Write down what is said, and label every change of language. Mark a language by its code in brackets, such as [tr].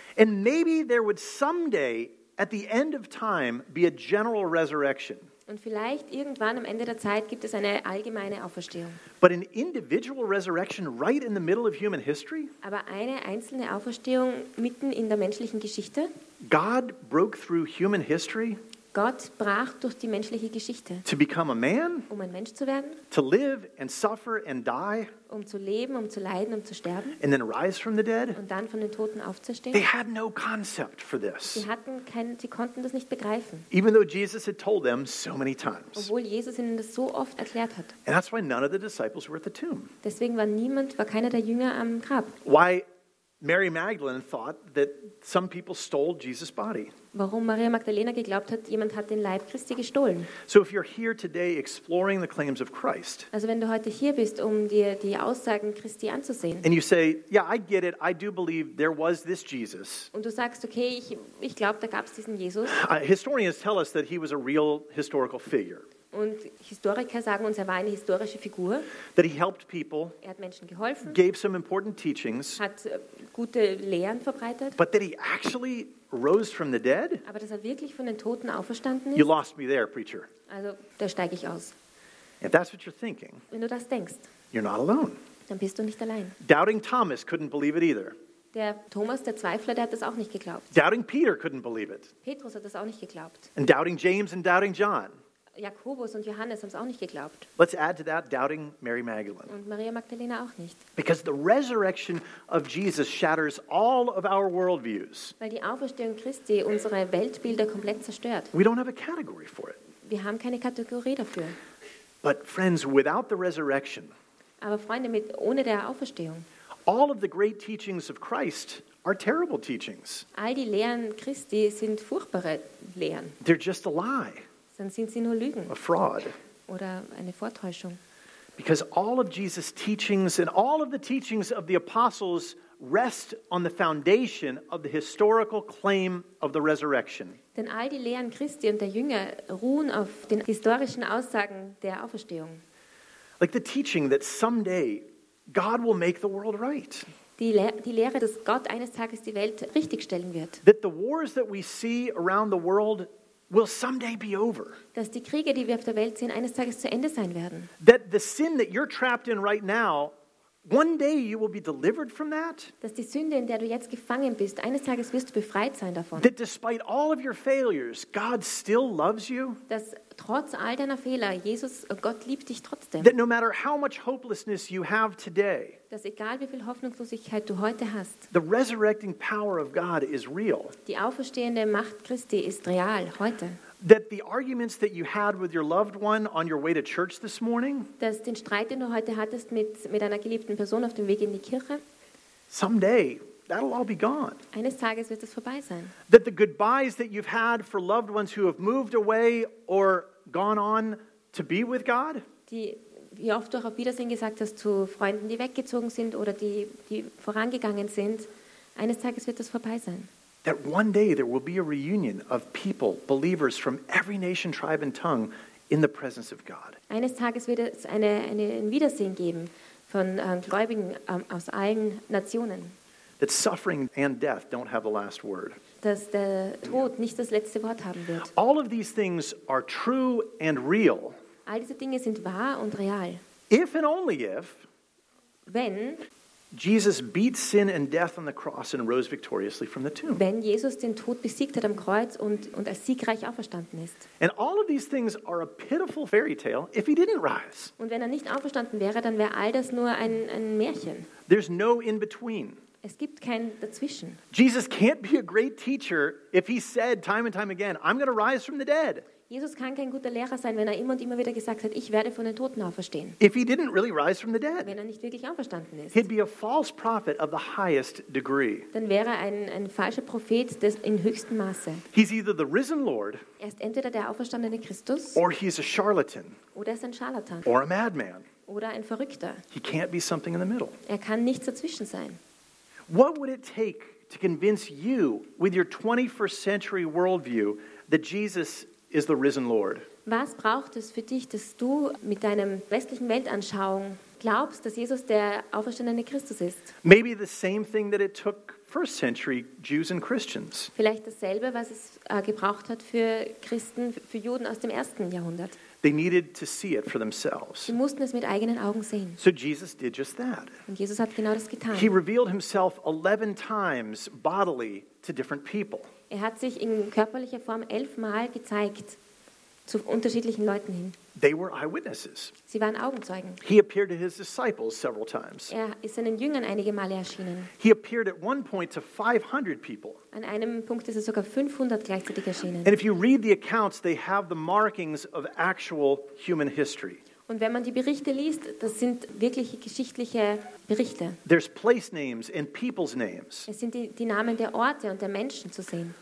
[en] And maybe there would someday, at the end of time, be a general resurrection. [de] Und vielleicht irgendwann am Ende der Zeit gibt es eine allgemeine Auferstehung. [en] But an individual resurrection right in the middle of human history? [de] Aber eine einzelne Auferstehung mitten in der menschlichen Geschichte? [en] God broke through human history? [de] Gott brach durch die menschliche Geschichte. [en] To become a man? [de] Um ein Mensch zu werden? [en] To live and suffer and die? [de] Um zu leben, um zu leiden, um zu sterben? [en] And then rise from the dead? [de] Und dann von den Toten aufzustehen? [en] They had no concept for this. [de] Sie konnten das nicht begreifen. [en] Even though Jesus had told them so many times. [de] Obwohl Jesus ihnen das so oft erklärt hat. [en] And that's why none of the disciples were at the tomb. [de] Deswegen war keiner der Jünger am Grab. [en] Why Mary Magdalene thought that some people stole Jesus' body. [de] Warum Maria Magdalena geglaubt hat, jemand hat den Leib Christi gestohlen. [en] So if you're here today exploring the claims of Christ. [de] Also wenn du heute hier bist, um dir die Aussagen Christi anzusehen. [en] And you say, yeah, I get it. I do believe there was this Jesus. [de] Und du sagst, okay, ich glaube, da gab es diesen Jesus. [en] Historians tell us that he was a real historical figure. [de] Und Historiker sagen uns, er war eine historische Figur. [en] That he helped people. [de] Er hat Menschen geholfen. [en] Gave some important teachings. [de] Hat gute Lehren verbreitet. [en] But that he actually rose from the dead? [de] Aber dass er wirklich von den Toten auferstanden ist? [en] You lost me there, preacher. [de] Also, da steige ich aus. [en] If that's what you're thinking, [de] wenn du das denkst, [en] you're not alone. [de] Dann bist du nicht allein. [en] Doubting Thomas couldn't believe it either. [de] Der Thomas, der Zweifler, der hat das auch nicht geglaubt. [en] Doubting Peter couldn't believe it. [de] Petrus hat das auch nicht geglaubt. [en] And doubting James and doubting John. [de] Jakobus und Johannes haben es auch nicht geglaubt. [en] Let's add to that doubting Mary Magdalene. [de] Und Maria Magdalena auch nicht. [en] Because the resurrection of Jesus shatters all of our worldviews. [de] Weil die Auferstehung Christi unsere Weltbilder komplett zerstört. [en] We don't have a category for it. [de] Wir haben keine Kategorie dafür. [en] But friends, without the resurrection. [de] Aber Freunde, ohne der Auferstehung. [en] All of the great teachings of Christ are terrible teachings. [de] All die Lehren Christi sind furchtbare Lehren. [en] They're just a lie. [de] Dann sind sie nur Lügen. [en] A fraud. [de] Oder eine Vortäuschung. [en] Because all of Jesus' teachings and all of the teachings of the apostles rest on the foundation of the historical claim of the resurrection. [de] Denn all die Lehren Christi und der Jünger ruhen auf den historischen Aussagen der Auferstehung. [en] Like the teaching that someday God will make the world right. [de] Die Lehre, dass Gott eines Tages die Welt richtigstellen wird. [en] That the wars that we see around the world will someday be over. [de] Dass die Kriege, die wir auf der Welt sehen, eines Tages zu Ende sein werden. [en] That the sin that you're trapped in right now, one day you will be delivered from that. [de] Dass die Sünde, in der du jetzt gefangen bist, eines Tages wirst du befreit sein davon. [en] That despite all of your failures, God still loves you. [de] Dass trotz all deiner Fehler, Jesus, Gott liebt dich trotzdem. [en] That no matter how much hopelessness you have today. [de] Dass egal wie viel Hoffnungslosigkeit du heute hast. [en] The resurrecting power of God is real. [de] Die auferstehende Macht Christi ist real heute. [en] That the arguments that you had with your loved one on your way to church this morning. [de] Dass den Streit, den du heute hattest mit einer geliebten Person auf dem Weg in die Kirche. [en] Someday that'll all be gone. [de] Eines Tages wird es vorbei sein. [en] That the goodbyes that you've had for loved ones who have moved away or gone on to be with God. [de] Wie oft du auch auf Wiedersehen gesagt hast zu Freunden, die weggezogen sind oder die vorangegangen sind. Eines Tages wird das vorbei sein. [en] That one day there will be a reunion of people, believers from every nation, tribe and tongue in the presence of God. [de] Eines Tages wird es ein Wiedersehen geben von Gläubigen aus allen Nationen. [en] That suffering and death don't have the last word. [de] Dass der Tod nicht das letzte Wort haben wird. [en] All of these things are true and real. [de] All diese Dinge sind wahr und real. [en] If and only if, [de] wenn [en] Jesus beat sin and death on the cross and rose victoriously from the tomb. [de] Wenn Jesus den Tod besiegt hat am Kreuz und als siegreich auferstanden ist. [en] And all of these things are a pitiful fairy tale if he didn't rise. [de] Und wenn er nicht auferstanden wäre, dann wäre all das nur ein Märchen. [en] There's no in between. [de] Es gibt kein dazwischen. [en] Jesus can't be a great teacher if he said time and time again, I'm going to rise from the dead. [de] Jesus kann kein guter Lehrer sein, wenn er immer und immer wieder gesagt hat, ich werde von den Toten auferstehen. [en] If he didn't really rise from the dead, [de] wenn er nicht wirklich auferstanden ist, [en] he'd be a false prophet of the highest degree. [de] Dann wäre er ein falscher Prophet des in höchstem Maße. [en] He's either the risen Lord, [de] er ist entweder der auferstandene Christus, [en] or he's a charlatan, [de] oder er ist ein Scharlatan, [en] or a madman, [de] oder ein Verrückter. [en] He can't be something in the middle. [de] Er kann nichts dazwischen sein. [en] What would it take to convince you with your 21st century worldview that Jesus is the risen Lord? [de] Was braucht es für dich, dass du mit deinem westlichen Weltanschauung glaubst, dass Jesus der auferstandene Christus ist? [en] Maybe the same thing that it took first century Jews and Christians. [de] Vielleicht dasselbe, was es gebraucht hat für Christen, für Juden aus dem ersten Jahrhundert. [en] They needed to see it for themselves. [de] Sie mussten es mit eigenen Augen sehen. [en] So Jesus did just that. [de] Und Jesus hat genau das getan. [en] He revealed himself 11 times bodily to different people. [de] Er hat sich in körperlicher Form 11 Mal gezeigt zu unterschiedlichen Leuten hin. [en] They were eyewitnesses. [de] Sie waren Augenzeugen. [en] He appeared to his disciples several times. [de] Er ist seinen Jüngern einige Male erschienen. [en] He appeared at one point to 500 people. [de] An einem Punkt ist er sogar 500 gleichzeitig erschienen. [en] And if you read the accounts, they have the markings of actual human history. [de] Und wenn man die Berichte liest, das sind wirkliche geschichtliche Berichte. [en] There's place names and people's names. [de] Es sind die Namen der Orte und der Menschen zu sehen.